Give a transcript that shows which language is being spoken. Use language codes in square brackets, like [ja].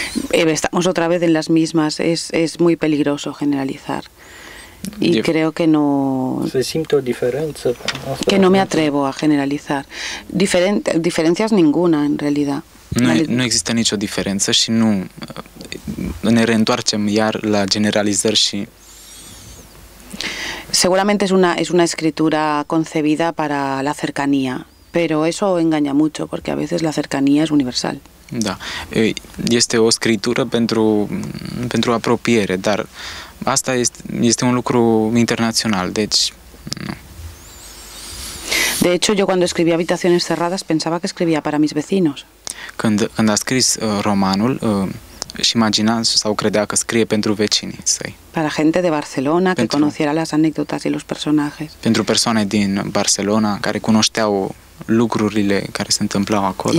[es] Estamos otra vez en las mismas. Es muy peligroso generalizar. Y creo que no... ¿Se siente una diferencia? Que no me atrevo a generalizar. Diferencias ninguna, en realidad. [ro] Nu există nicio diferență și nu ne reîntoarcem iar la generalizări și... [es] Seguramente es una escritura concebida para la cercanía, pero eso engaña mucho, porque a veces la cercanía es universal. [ro] Da, este o scritură pentru apropiere, dar asta este un lucru internațional, deci... [es] De hecho, yo cuando escribía Habitaciones cerradas pensaba que escribía para mis vecinos. [ro] Când a scris romanul, își imagina sau credea că scrie pentru vecinii săi. [es] Para gente de Barcelona, que conociera las anécdotas y los personajes. [ro] Pentru persoane din Barcelona care cunoșteau lucrurile care se întâmplau acolo.